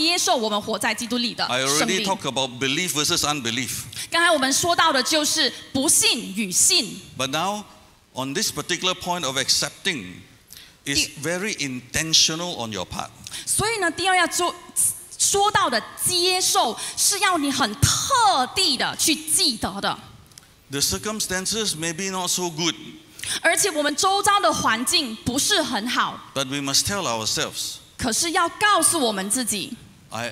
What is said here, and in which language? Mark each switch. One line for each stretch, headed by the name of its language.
Chinese: 其实要讲到住在的话，其实是还有很长的东西要说。可是让我们看这个第二点，第二点就是要接受我们活在基督里的生命。
English: I already talked about belief versus unbelief.
Chinese: 刚才我们说到的就是不信与信。
English: But now, on this particular point of accepting, is very intentional on your part.
Chinese: 所以呢，第二要做。说到的接受是要你很特地的去记得的。
English: The circumstances may be not so good.
Chinese: 而且我们周遭的环境不是很好。
English: But we must tell ourselves.
Chinese: 可是要告诉我们自己。
English: I